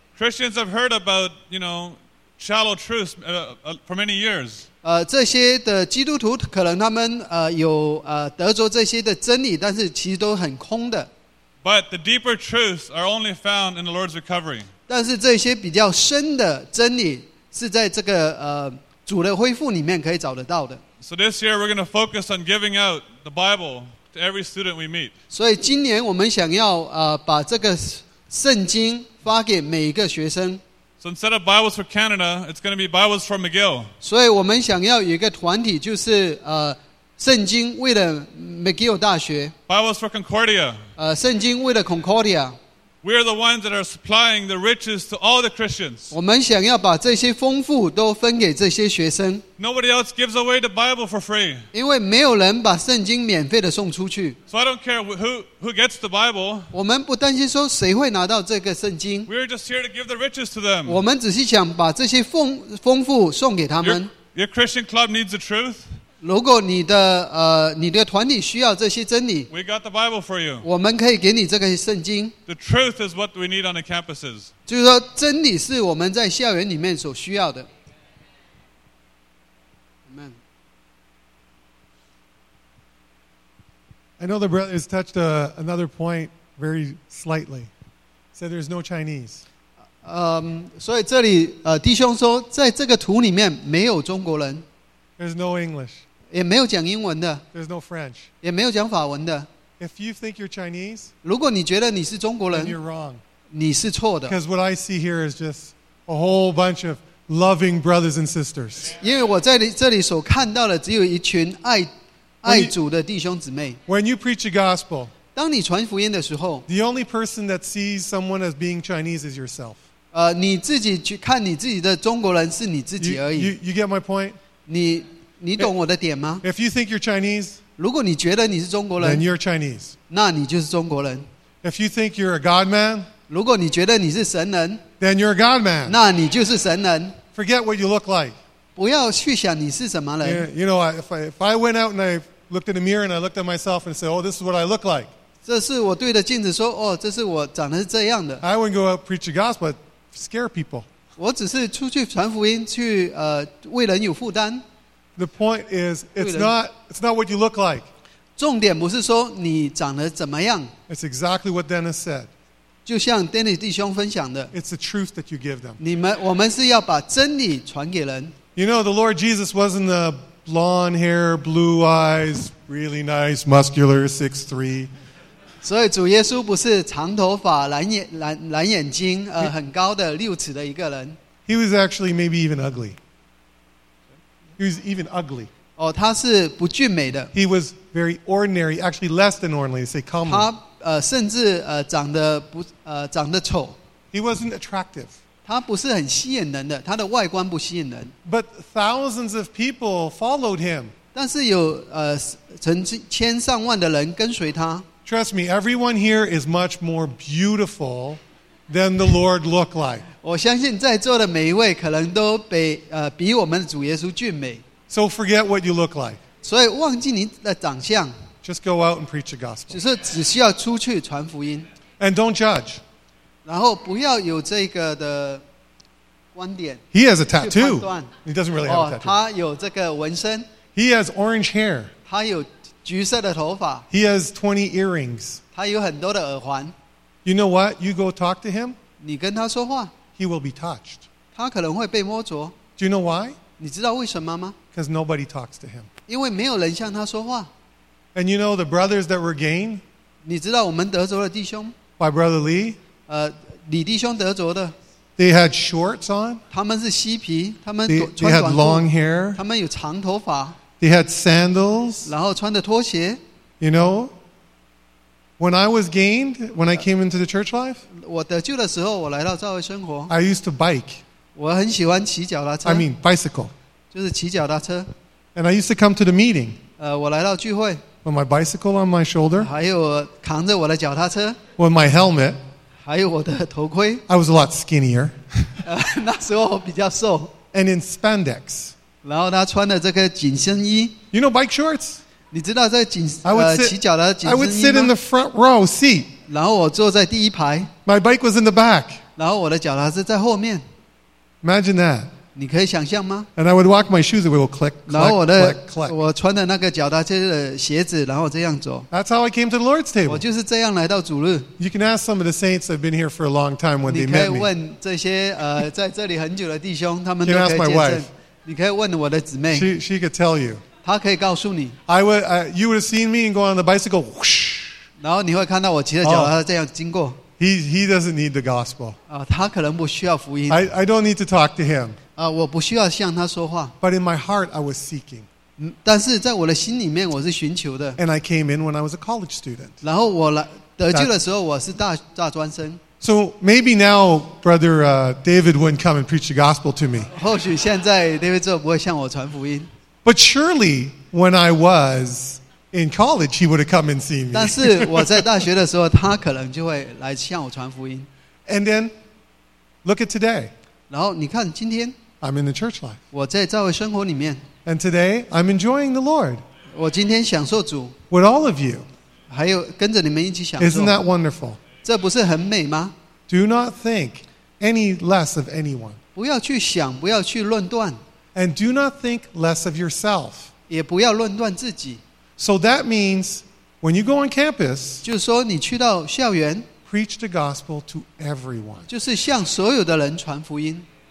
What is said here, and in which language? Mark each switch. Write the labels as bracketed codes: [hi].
[en] Christians have heard about, you know, shallow truths for many years. [zh] 这些的基督徒可能他们有得着这些的真理，但是其实都很空的。 [en] But the deeper truths are only found in the Lord's recovery. [zh] 但是这些比较深的真理是在这个主的恢复里面可以找得到的。 [en] So this year we're going to focus on giving out the Bible to every student we meet. [zh] 所以今年我们想要把这个圣经发给每一个学生。 [en] So instead of Bibles for Canada, it's going to be Bibles for McGill. [zh] 所以我们想要有一个团体，就是圣经为了 McGill 大学。 [en] Bibles for Concordia. [zh] 圣经为了 Concordia. [en] We are the ones that are supplying the riches to all the Christians. [zh] 我们想要把这些丰富都分给这些学生。 [en] Nobody else gives away the Bible for free. [zh] 因为没有人把圣经免费的送出去。 [en] So I don't care who gets the Bible. [zh] 我们不担心说谁会拿到这个圣经。 [en] We're just here to give the riches to them. [zh] 我们只是想把这些丰富送给他们。 [en] Your Christian club needs the truth. [zh] 如果你的团体需要这些真理， [en] we got the Bible for you. [zh] 我们可以给你这个圣经。 [en] The truth is what we need on the campuses. [zh] 就是说真理是我们在校园里面所需要的。 [en] I know the brother has touched another point very slightly. He said there's no Chinese. [zh] 所以这里弟兄说在这个图里面没有中国人。 [en] There's no English. [zh] 也没有讲英文的。 [en] There's no French. [zh] 也没有讲法文的。 [en] If you think you're Chinese, [zh] 如果你觉得你是中国人, [en] then you're wrong. [zh] 你是错的。 [en] Because what I see here is just a whole bunch of loving brothers and sisters. [zh] 因为我在这里所看到的只有一群爱, 爱主的弟兄姊妹。 [en] When you preach a gospel, [zh] 当你传福音的时候, [en] the only person that sees someone as being Chinese is yourself. [zh] 你自己去看你自己的中国人是你自己而已。 [en] You get my point? [zh] 你懂我的点吗? [en] If you think you're Chinese, [zh] 如果你觉得你是中国人, [en] then you're Chinese. [zh] 那你就是中国人。 [en] If you think you're a God man, [zh] 如果你觉得你是神人, [en] then you're a God man. [zh] 那你就是神人。 [en] Forget what you look like. [zh] 不要去想你是什么人。 [en] You know, if I went out and I looked in the mirror and I looked at myself and said, oh, this is what I look like. [zh] 这是我对着镜子说, 哦, 这是我长得是这样的。 [en] I wouldn't go out and preach the gospel, scare people. [zh] 我只是出去传福音去, 为人有负担。 [en] The point is, it's not what you look like. [zh] 重点不是说你长得怎么样。 [en] It's exactly what Dennis said. [zh] 就像 Dennis 弟兄分享的。 [en] It's the truth that you give them. [zh] 我们是要把真理传给人。 [en] You know, the Lord Jesus wasn't the blonde hair, blue eyes, really nice, muscular, 6'3". [zh] 所以主耶稣不是长头发、蓝眼睛、很高的六尺的一个人。 [en] He was actually maybe even ugly. He was even ugly. [zh] 哦，他是不俊美的。 [en] He was very ordinary, actually less than ordinary. Say calmly. [zh] 他甚至长得不长得丑。 [en] He wasn't attractive. [zh] 他不是很吸引人的，他的外观不吸引人。 [en] But thousands of people followed him. [zh] 但是有成千上万的人跟随他。 [en] Trust me, everyone here is much more beautiful than the Lord looked like. [zh] 我相信在座的每一位可能都比我们的主耶稣俊美。 [en] So forget what you look like. [zh] 所以忘记你的长相。 [en] Just go out and preach the gospel. [zh] 就是只需要出去传福音。 [en] And don't judge. [zh] 然后不要有这个的观点。 [en] He has a tattoo. He doesn't really have a tattoo. [zh] 他有这个纹身。 [en] He has orange hair. [zh] 他有橘色的头发。 [en] He has 20 earrings. [zh] 他有很多的耳环。 [en] You know what? You go talk to him. [zh] 你跟他说话。 [en] He will be touched. [zh] 他可能会被摸着。 [en] Do you know why? [zh] 你知道为什么吗? [en] Because nobody talks to him. [zh] 因为没有人向他说话。 [en] And you know the brothers that were gained? [zh] 你知道我们得着的弟兄? [en] My brother Lee? [zh] 李弟兄得着的。 [en] They had shorts on. [zh] 他们是嬉皮。他们穿短裤。 [en] They had long hair. [zh] 他们有长头发。 [en] They had sandals. [zh] 然后穿的拖鞋。 [en] You know, when I was gained, when I came into the church life, [zh] 我得救的时候，我来到教会生活。 [en] I used to bike. [zh] 我很喜欢骑脚踏车。 [en] I mean bicycle. [zh] 就是骑脚踏车。 [en] And I used to come to the meeting. [zh] 我来到聚会。 [en] With my bicycle on my shoulder. [zh] 还有扛着我的脚踏车。 [en] With my helmet. [zh] 还有我的头盔。 [en] I was a lot skinnier. [zh] 那时候我比较瘦。 [en] And in spandex. [zh] 然后他穿的这个紧身衣。 [en] You know bike shorts? [zh] 你知道这紧骑脚踏紧身衣吗 [en] ？I would sit in the front row seat. [zh] 然后我坐在第一排。 [en] My bike was in the back. [zh] 然后我的脚踏车在后面。 [en] Imagine that. [zh] 你可以想象吗 [en] ？And I would walk my shoes. It will click, click, click, click. [zh] 然后我穿的那个脚踏车的鞋子，然后这样走。 [en] That's how I came to the Lord's table. [zh] 我就是这样来到主日。 [en] You can ask some of the saints that have been here for a long time when they met me. [zh] 你可以问这些在这里很久的弟兄，他们都可以见证。 [en] You can ask my wife. [zh] 你可以问我的姊妹。 [en] She could tell you. [zh] 她可以告诉你。 [en] I would, you would have seen me and go on the bicycle. Whoosh. [zh] 然后你会看到我骑着脚踏车这样经过。 [en] He doesn't need the gospel. [zh] 他可能不需要福音。 [en] I don't need to talk to him. [zh] 我不需要向他说话。 [en] But in my heart, I was seeking. [zh] 但是在我的心里面，我是寻求的。 [en] And I came in when I was a college student. [zh] 然后我得救的时候，我是大专生。 [en] So maybe now, brother David wouldn't come and preach the gospel to me. [zh] 或许现在 David 就不会向我传福音。 [en] But surely, when I was. In college, he would have come and seen me. [zh] 但是我在大学的时候，他可能就会来向我传福音。 [en] And then, look at today. [zh] 然后你看今天。 [en] I'm in the church life. [zh] 我在教会生活里面。 [en] And today, I'm enjoying the Lord. [zh] 我今天享受主。 [en] With all of you. [zh] 还有跟着你们一起享受。 [en] Isn't that wonderful? [zh] 这不是很美吗 [en] ？Do not think any less of anyone. [zh] 不要去想，不要去论断。 [en] And do not think less of yourself. [zh] 也不要论断自己。 [en] So that means when you go on campus, [zh] 就是说你去到校园 [en] preach the gospel to everyone. [zh] 就是向所有的人传福音。